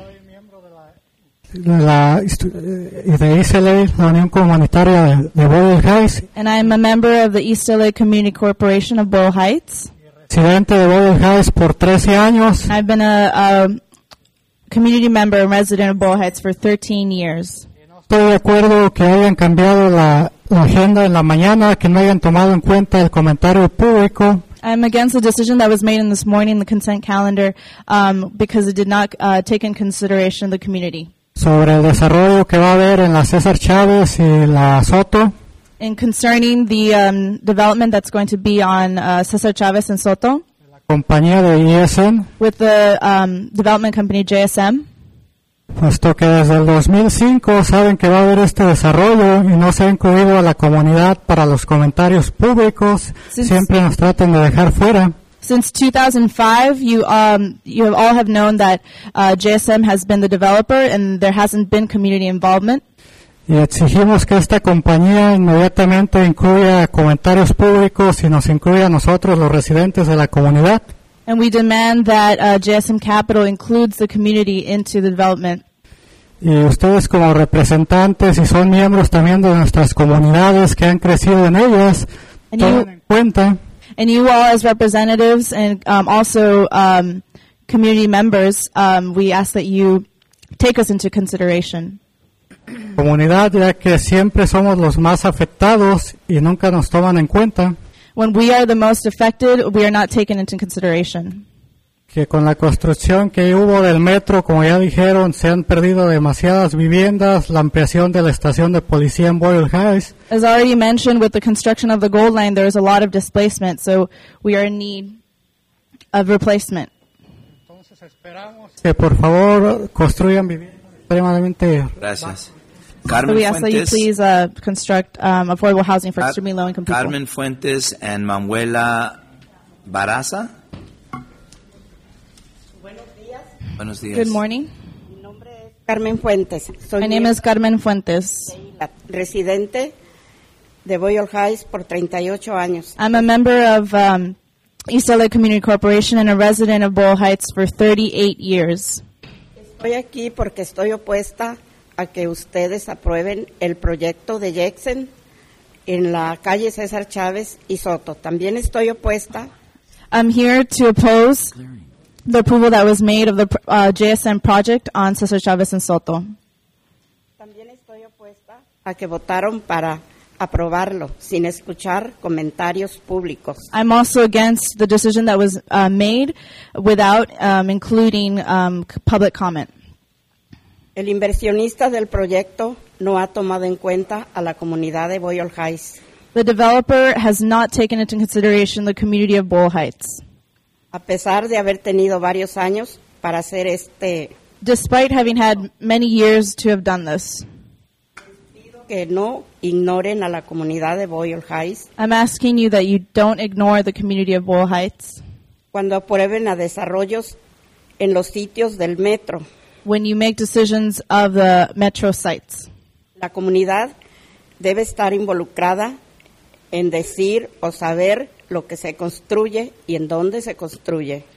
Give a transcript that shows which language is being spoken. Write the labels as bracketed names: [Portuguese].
[English] And I'm a member of the East LA Community Corporation of Bowen Heights. [Spanish] Residente de Bowen Heights por 13 años. [English] I've been a community member and resident of Bowen Heights for 13 years. [Spanish] Estoy de acuerdo que hayan cambiado la agenda en la mañana, que no hayan tomado en cuenta el comentario público. [English] I'm against the decision that was made in this morning, the consent calendar, because it did not take in consideration the community. [Spanish] Sobre el desarrollo que va a haber en la César Chávez y la Soto. [English] And concerning the development that's going to be on Cesar Chavez and Soto. [Spanish] Compañía de ESM. [English] With the development company JSM. [Spanish] Puesto que desde el 2005 saben que va a haber este desarrollo y no se ha incluido a la comunidad para los comentarios públicos, siempre nos tratan de dejar fuera. [English] Since 2005, you all have known that JSM has been the developer and there hasn't been community involvement. [Spanish] Y exigimos que esta compañía inmediatamente incluya comentarios públicos y nos incluya a nosotros, los residentes de la comunidad. [English] And we demand that JSM Capital includes the community into the development. [Spanish] Y ustedes como representantes y son miembros también de nuestras comunidades que han crecido en ellas, tomen en cuenta. [English] And you all as representatives and also community members, we ask that you take us into consideration. [Spanish] Comunidad, ya que siempre somos los más afectados y nunca nos toman en cuenta. [English] When we are the most affected, we are not taken into consideration. [Spanish] Que con la construcción que hubo del metro, como ya dijeron, se han perdido demasiadas viviendas, la ampliación de la estación de policía en Boyle Heights. [English] As already mentioned, with the construction of the Gold Line, there is a lot of displacement, so we are in need of replacement. [Spanish] Entonces esperamos que por favor construyan viviendas extremadamente. Gracias. [English] Carmen, so we ask that you please construct affordable housing for extremely low-income people. Carmen Fuentes and Manuela Barraza. [Spanish] Buenos días. [English] Good morning. [Spanish] Mi nombre es Carmen Fuentes. Soy [English] My name is Carmen Fuentes. [Spanish] Residente de Boyle Heights por 38 años. [English] I'm a member of East LA Community Corporation and a resident of Boyle Heights for 38 years. [Spanish] Estoy aquí porque estoy opuesta a que ustedes aprueben el proyecto de Jackson en la calle César Chávez y Soto. También estoy opuesta. [English] I'm here to oppose the approval that was made of the JSN project on César Chávez and Soto. [Spanish] También estoy opuesta a que votaron para aprobarlo sin escuchar comentarios públicos. [English] I'm also against the decision that was made without including public comment. [Spanish] El inversionista del proyecto no ha tomado en cuenta a la comunidad de Boyle Heights. [English] The developer has not taken into consideration the community of Boyle Heights. [Spanish] A pesar de haber tenido varios años para hacer este... [English] Despite having had many years to have done this. [Spanish] Que no ignoren a la comunidad de Boyle Heights. [English] I'm asking you that you don't ignore the community of Boyle Heights. [Spanish] Cuando aprueben a desarrollos en los sitios del metro... [English] When you make decisions of the metro sites, [Spanish] la comunidad debe estar involucrada en decir o saber lo que se construye y en dónde se construye.